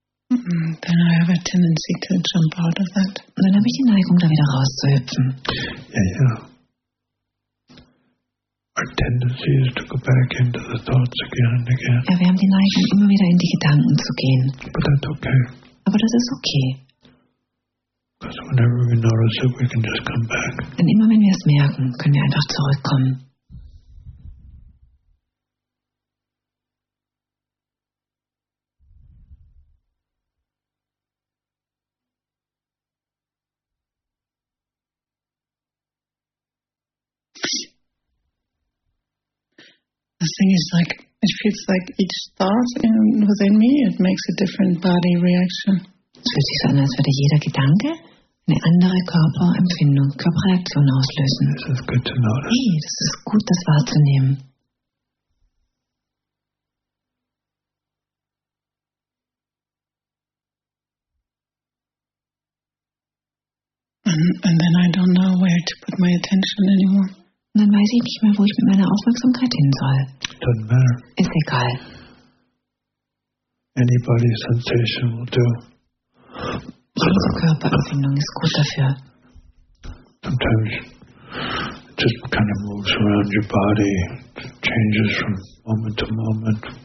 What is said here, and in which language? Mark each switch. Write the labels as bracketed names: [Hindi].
[English] Then I have a tendency to jump out of that. [German] Und dann habe ich die Neigung, da wieder rauszuhüpfen. [English] Yeah, yeah. Our tendency is to go back into the thoughts again and again. [German] Ja, wir haben die Neigung, immer wieder in die Gedanken zu gehen. [English] But that's okay. [German] Aber das ist okay. [English] Because whenever we notice it, we can just come back. [German] Denn immer wenn wir es merken, können wir einfach zurückkommen. [English] The thing is, like, it feels like each thought within me, it makes a different body reaction. [German] Es fühlt sich so an, als würde jeder Gedanke eine andere Körperempfindung, Körperreaktion auslösen. [English] This is good to notice. [German] Hey, das ist gut, das wahrzunehmen. [English] And then I don't know where to put my attention anymore. [German] Und dann weiß ich nicht mehr, wo ich mit meiner Aufmerksamkeit hin soll. [English] Doesn't matter. [German] Ist egal. [English] Any body sensation will do. [German] Jede Körperempfindung ist gut dafür. [English] Sometimes it just kind of moves around your body, changes from moment to moment.